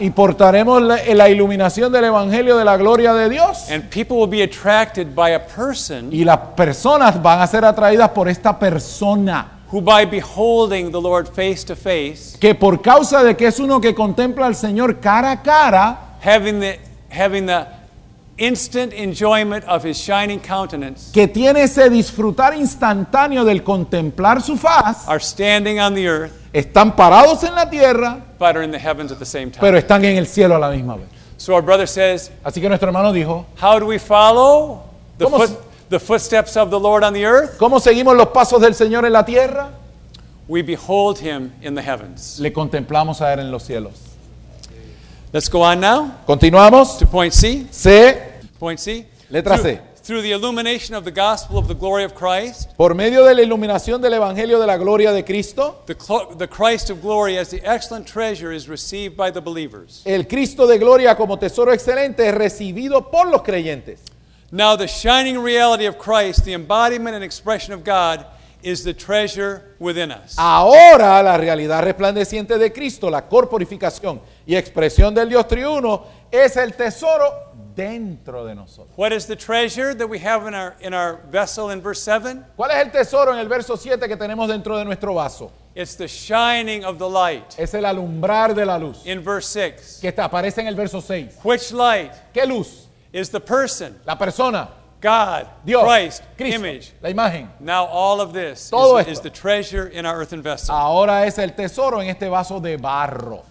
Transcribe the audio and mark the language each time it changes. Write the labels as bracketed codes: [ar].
[es] Y portaremos la iluminación del evangelio de la gloria de Dios. [en] And people will be attracted by a person. [es] Y las personas van a ser atraídas por esta persona. [en] Who by beholding the Lord face to face. [es] Que por causa de que es uno que contempla al Señor cara a cara. [en] Having the instant enjoyment of his shining countenance. [es] Que tiene ese disfrutar instantáneo del contemplar su faz. [en] Are standing on the earth. [es] Están parados en la tierra. [en] But are in the heavens at the same time. [es] Pero están en el cielo a la misma vez. [en] So our brother says. [es] Así que nuestro hermano dijo. [en] How do we follow the footsteps of the Lord on the earth? [es] ¿Cómo seguimos los pasos del Señor en la tierra? [en] We behold him in the heavens. [es] Le contemplamos a él en los cielos. [en] Let's go on now. [es] Continuamos. [en] To point C. C. Point C. [es] Letra C. [en] Through the illumination of the gospel of the glory of Christ. [es] Por medio de la iluminación del evangelio de la gloria de Cristo. [en] The Christ of glory as the excellent treasure is received by the believers. [es] El Cristo de gloria como tesoro excelente es recibido por los creyentes. [en] Now the shining reality of Christ, the embodiment and expression of God, is the treasure within us. [es] Ahora la realidad resplandeciente de Cristo, la corporificación y expresión del Dios triuno, es el tesoro dentro de nosotros. [en] What is the treasure that we have in our vessel in verse 7? [es] ¿Cuál es el tesoro en el verso 7 que tenemos dentro de nuestro vaso? [en] It's the shining of the light. [es] Es el alumbrar de la luz. [en] In verse 6. [es] Que aparece en el verso 6. [en] Which light? [es] ¿Qué luz? [en] Is the person. [es] La persona. [en] God, [es] Dios, [en] Christ, [es] Cristo, [en] image. [es] La imagen. [en] Now all of this is the treasure in our earthen vessel. [es] Ahora es el tesoro en este vaso de barro.